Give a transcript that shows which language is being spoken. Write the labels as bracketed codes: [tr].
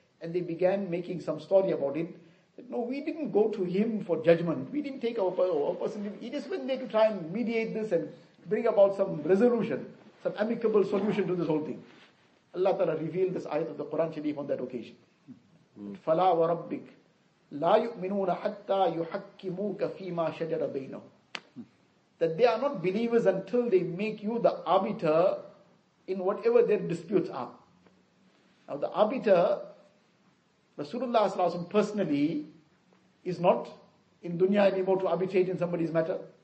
[en] And they began making some story about it. That no, we didn't go to him for judgment. We didn't take our person. He just went there to try and mediate this and bring about some resolution, some amicable solution to this whole thing. Allah Ta'ala revealed this ayat of the Quran Sharif on that occasion. [ar] Fala wa rabbik. لا يؤمنون حتى يحكموك فيما شجر بينهم [en] that they are not believers until they make you the arbiter in whatever their disputes are. Now the arbiter, Rasulullah Sallallahu Alaihi Wasallam personally, is not in dunya anymore to arbitrate in somebody's matter.